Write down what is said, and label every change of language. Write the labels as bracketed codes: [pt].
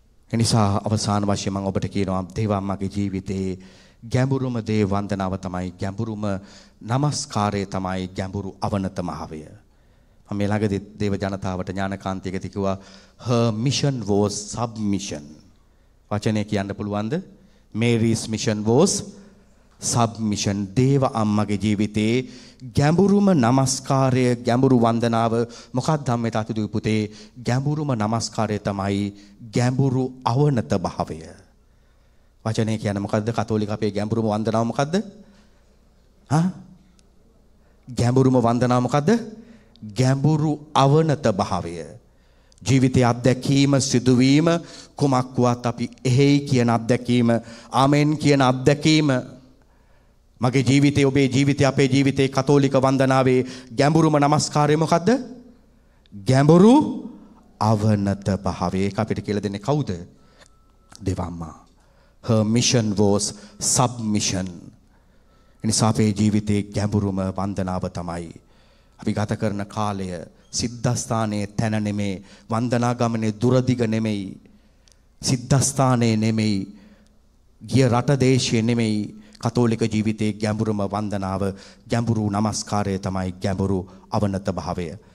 [si] එනිසා අවසාන වශයෙන් මම ඔබට කියනවා, දේවාම්මගේ ජීවිතයේ ගැඹුරුම දේ වන්දනාව තමයි, ගැඹුරුම නමස්කාරය තමයි, ගැඹුරු අවනතමහවය. මම මේ ළඟදි දේව ජනතාවට ඥානකාන්තියකදී කිව්වා, [en] her mission was submission. [si] වචනේ කියන්න පුළුවන්ද? [en] Mary's mission was submission. [si] දේව අම්මගේ ජීවිතේ ගැඹුරුම නමස්කාරය, ගැඹුරු වන්දනාව මොකක්ද? ධම්මේ තතිදී පුතේ, ගැඹුරුම නමස්කාරය තමයි ගැඹුරු අවනත භාවය. වචනේ කියන්නේ මොකද්ද? කතෝලික අපේ ගැඹුරුම වන්දනාව මොකද්ද? හා? ගැඹුරුම වන්දනාව මොකද්ද? ගැඹුරු අවනත භාවය. ජීවිතයේ අත්දැකීම, සිදුවීම කුමක් වුවත් අපි එහෙයි කියන අත්දැකීම, ආමෙන් කියන අත්දැකීම. මගේ ජීවිතේ, ඔබේ ජීවිතේ, අපේ ජීවිතේ කතෝලික වන්දනාවේ ගැඹුරුම නමස්කාරය මොකද්ද? ගැඹුරු අවනත භාවය. ඒක අපිට කියලා දෙන්නේ කවුද? දෙවම්මා. [en] Her mission was submission. [si] එනිසා අපේ ජීවිතේ ගැඹුරුම වන්දනාව තමයි. අපි ගත කරන කාලය සිද්ධාස්ථානයේ තැන නෙමෙයි, වන්දනා ගමනේ දුරදිග නෙමෙයි, සිද්ධාස්ථානයේ නෙමෙයි, ගිය රට දේශයේ නෙමෙයි. කතෝලික ජීවිතයේ ගැඹුරුම වන්දනාව, ගැඹුරු නමස්කාරය තමයි ගැඹුරු අවනත භාවය.